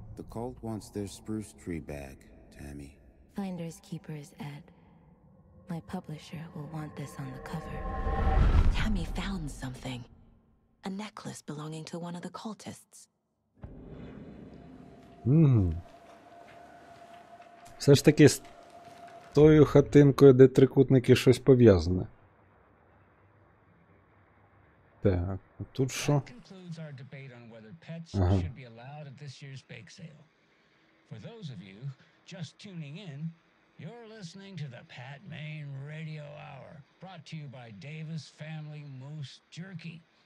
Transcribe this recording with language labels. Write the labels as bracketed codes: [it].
[en] The cult wants their spruce tree bag, Tammy. Finder's keeper is Ed. My publisher will want this on the cover. Tammy found something. A necklace belonging to one of the cultists. [uk] Все ж таки, з тою хатинкою, де трикутники, щось пов'язане. Так, тут що? [en] That concludes our debate on whether pets should be allowed at this year's bake sale. For those of you just tuning in, you're listening to the Pat Main Radio Hour, brought to you by Davis Family Moose Jerky.